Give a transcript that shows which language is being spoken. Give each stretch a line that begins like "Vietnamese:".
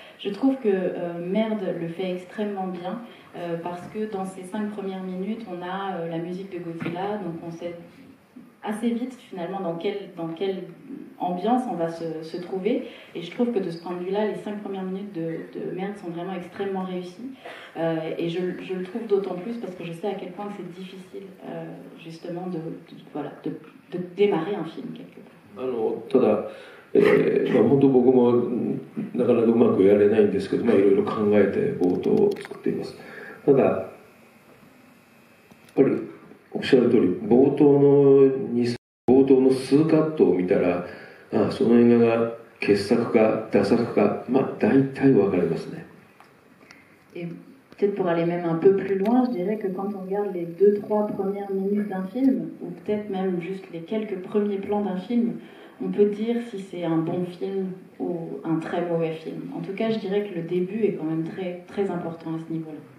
French: Je trouve que Merde le fait extrêmement bien, parce que dans ces 5 premières minutes on a la musique de Godzilla, donc on sait assez vite finalement dans quel ambiance on va se trouver, et je trouve que de ce point de vue là les 5 premières minutes de Merde sont vraiment extrêmement réussies, et je le trouve d'autant plus parce que je sais à quel point c'est difficile justement de démarrer un film quelque part.
Japanese: まあ、本当僕もなかなかうまくやれないんですけど、まあ、いろいろ考えて冒頭を作っています。ただやっぱりおっしゃる通り、冒頭の数カットを見たら、ああ、その映画が傑作か駄作か、まあ、大体分かりますね。
French: Peut-être pour aller même un peu plus loin, je dirais que quand on regarde les 2-3 premières minutes d'un film, ou peut-être même juste les quelques premiers plans d'un film, on peut dire si c'est un bon film ou un très mauvais film. En tout cas, je dirais que le début est quand même très, très important à ce niveau-là.